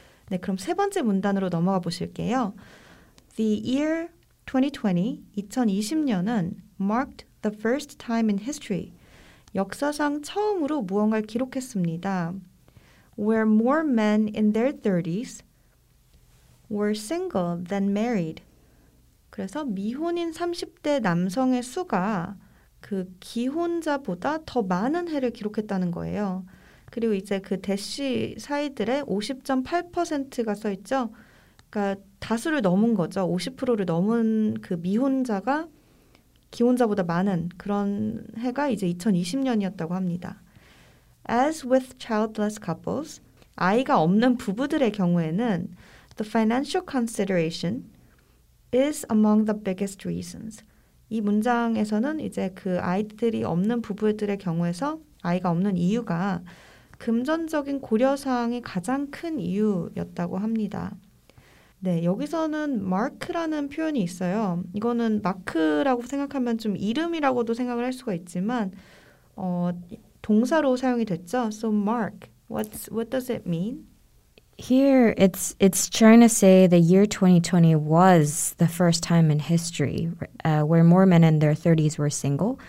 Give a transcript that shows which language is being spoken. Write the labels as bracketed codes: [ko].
[ko] 네, 그럼 세 번째 문단으로 넘어가 보실게요. [en] The year 2020, [ko] 2020년은 [en] marked the first time in history. [ko] 역사상 처음으로 무언가를 기록했습니다. [en] Where more men in their 30s were single than married. [ko] 그래서 미혼인 30대 남성의 수가 그 기혼자보다 더 많은 해를 기록했다는 거예요. 그리고 이제 그 대시 사이들에 50.8%가 써있죠. 그러니까 다수를 넘은 거죠. 50%를 넘은 그 미혼자가 기혼자보다 많은 그런 해가 이제 2020년이었다고 합니다. [en] As with childless couples, [ko] 아이가 없는 부부들의 경우에는 [en] the financial consideration is among the biggest reasons. [ko] 이 문장에서는 이제 그 아이들이 없는 부부들의 경우에서 아이가 없는 이유가 금전적인 고려사항이 가장 큰 이유였다고 합니다. 네, 여기서는 마크라는 표현이 있어요. 이거는 마크라고 생각하면 좀 이름이라고도 생각을 할 수가 있지만 동사로 사용이 됐죠. [en] So mark, what does it mean? Here it's trying to say the year 2020 was the first time in history where more men in their 30s were single.